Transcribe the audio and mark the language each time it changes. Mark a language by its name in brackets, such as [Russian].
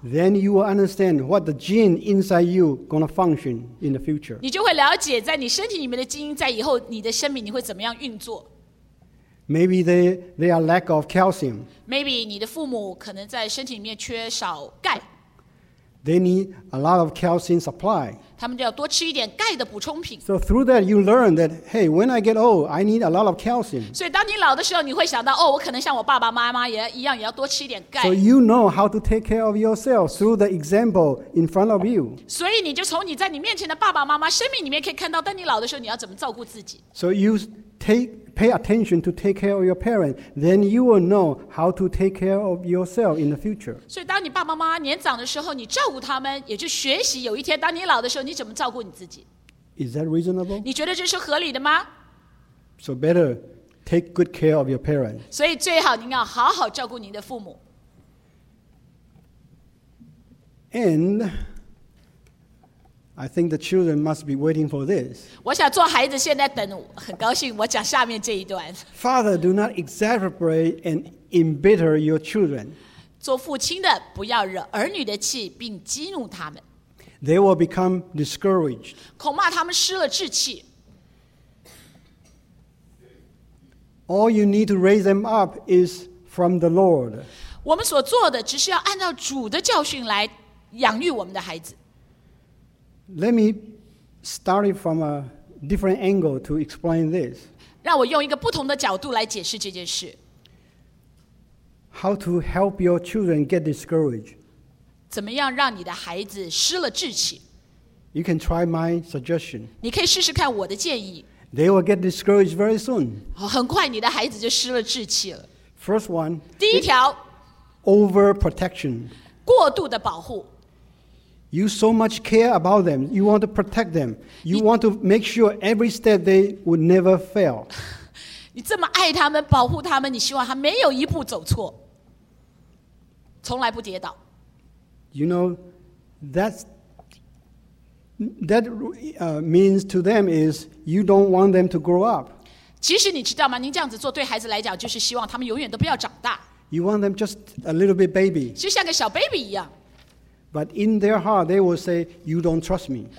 [English] ，then you will understand what the gene inside you gonna function in the future. [Chinese] 你就会了解在你身体里面的基因在以后你的生命你会怎么样运作。 [English] Maybe they are lack of calcium. Maybe [Chinese] 你的父母可能在身体里面缺少钙。 [English] They need a lot of calcium supply. [Chinese] 他们就要多吃一点钙的补充品。 [English] So through that you learn that hey, when I get old, I need a lot of calcium. [Chinese] 所以当你老的时候，你会想到哦，我可能像我爸爸妈妈也一样，也要多吃一点钙。 [English] So you know how to take care of yourself through the example in front of you. [Chinese] 所以你就从你在你面前的爸爸妈妈生命里面可以看到，当你老的时候，你要怎么照顾自己。 [English] So you pay attention to take care of your parents, then you will know how to take care of yourself in the future. [Chinese] 所以当你爸爸妈妈年长的时候，你照顾他们，也就学习有一天当你老的时候，你怎么照顾你自己。 [English] Is that reasonable? [Chinese] 你觉得这是合理的吗？ [English] So better take good care of your parents. [Chinese] 所以最好您要好好照顾您的父母。 [English] And I think the children must be waiting for this. [Chinese] 我想做孩子现在等，很高兴我讲下面这一段。 [English] Father, do not exasperate and embitter your children. [Chinese] 做父亲的不要惹儿女的气，并激怒他们。 [English] They will become discouraged. [Chinese] 恐怕他们失了志气。 [English] All you need to raise them up is from the Lord. [Chinese] 我们所做的只是要按照主的教训来养育我们的孩子。 [English] Let me start it from a different angle to explain this. [Chinese] 让我用一个不同的角度来解释这件事。 [English] How to help your children get discouraged? [Chinese] 怎么样让你的孩子失了志气？ [English] You can try my suggestion. [Chinese] 你可以试试看我的建议。 [English] They will get discouraged very soon. [Chinese] 很快你的孩子就失了志气了。 [English] First one. [Chinese] 第一条。 [English] Overprotection. [Chinese] 过度的保护。 [English] You so much care about them. You want to protect them. You want to make sure every step they would never fail. [Chinese] 你这么爱他们，保护他们，你希望他没有一步走错，从来不跌倒。 [English] You know, that means to them is you don't want them to grow up. [Chinese] 其实你知道吗？您这样子做对孩子来讲，就是希望他们永远都不要长大。 [English] You want them just a little bit baby. [Chinese] 就像个小 baby 一样。 [English] But in their heart, they will say, "You don't trust me."